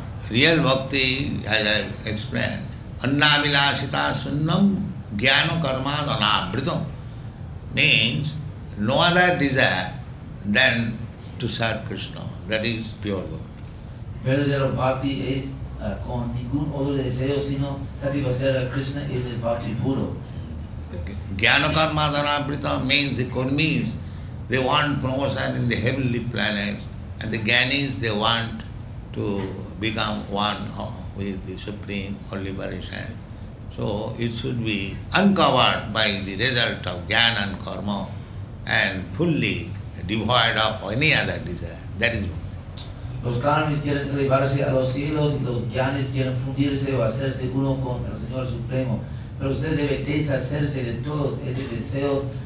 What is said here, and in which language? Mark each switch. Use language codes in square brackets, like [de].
[en] Real bhakti, as I explained, [sa] annamilasita sunnam jnana karma dhanabhritam, [en] means no other desire than to serve Krishna. That is pure bhakti. [es] Verdadero bhakti es con ningún otro deseo sino satisfacer a Krishna. Es el bhakti puro. [sa] Jnana karma dhanabhritam [en] means the karmis, they want promotion in the heavenly planets, and the Jnanis, they want to become one with the Supreme or liberation. So it should be uncovered by the result of Jnana and Karma and fully devoid of any other desire. That is what. [es] Los Karmis quieren elevarse a los cielos y los Jnanis quieren fundirse o hacerse uno con el Señor Supremo. Pero usted debe deshacerse de todo ese deseo.